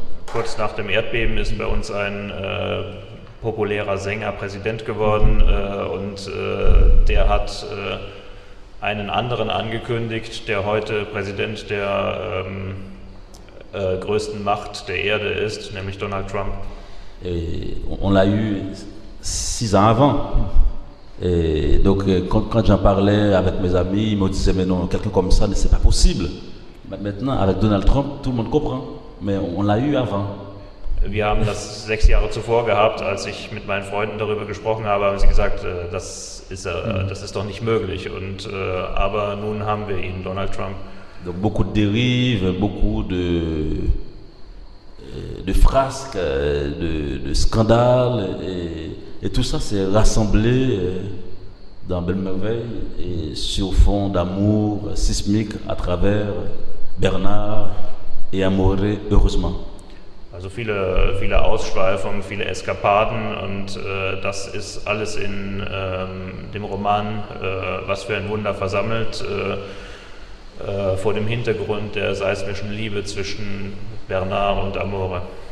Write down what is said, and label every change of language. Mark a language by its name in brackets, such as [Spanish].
[German] Kurz nach dem Erdbeben ist bei uns ein populärer Sänger Präsident geworden und der hat einen anderen angekündigt, der heute Präsident der größten Macht der Erde ist, nämlich Donald Trump. [French] On l'a eu 6 ans avant. Et donc quand j'en parlais avec mes amis, ils me disaient, mais non, quelqu'un comme ça, c'est pas possible. Maintenant, avec Donald Trump, tout le monde comprend. Mais on l'a eu avant. [German] Wir haben das 6 Jahre zuvor gehabt, als ich mit meinen Freunden darüber gesprochen habe, haben sie gesagt, das ist doch nicht möglich. Aber nun haben wir ihn, Donald Trump. [French] Donc beaucoup de dérives, beaucoup de frasques, de scandales, et tout ça s'est rassemblé dans Belle Merveille et sur fond d'amour sismique à travers Bernard et Amore, heureusement. [German] Also viele, viele Ausschweifungen, viele Eskapaden und das ist alles in dem Roman Was für ein Wunder versammelt. Vor dem Hintergrund der seismischen Liebe zwischen Bernard und Amore.